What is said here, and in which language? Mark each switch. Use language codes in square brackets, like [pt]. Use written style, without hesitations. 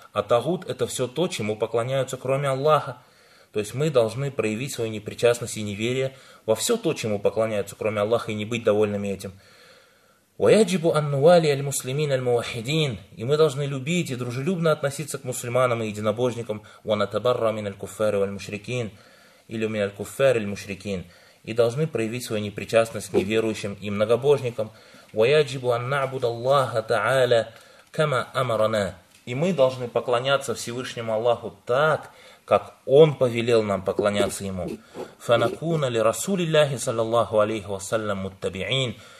[ru] А тагут – это все то, чему поклоняются, кроме Аллаха. То есть мы должны проявить свою непричастность и неверие во все то, чему поклоняются, кроме Аллаха, и не быть довольными этим. [ar] وَيَجِبُ أَن نُوَالِيَ الْمُسْلِمِينَ الْمُوَحِّدِينَ. [ru] И мы должны любить и дружелюбно относиться к мусульманам и единобожникам. [ar] وَنَتَبَرَّأَ مِنَ الْكُفَّارِ وَالْمُشْرِكِينَ. Или مِنَ الْكُفَّارِ الْمُشْرِكِينَ. [ru] И должны проявить свою непричастность к неверующим и многобожникам. [ar] وَيَجِبُ أَن نَعْبُدَ اللَّهَ تَعَالَى كَمَا أَمَرَنَا. [ru] И мы должны поклоняться Всевышнему Аллаху так, как Он повелел нам поклоняться Ему. [ar] فَنَكُونَ لِرَسُولِ اللَّهِ صَلَّى اللَّهُ عَلَيْهِ وَسَلَّمَ مُتَّبِعِينَ.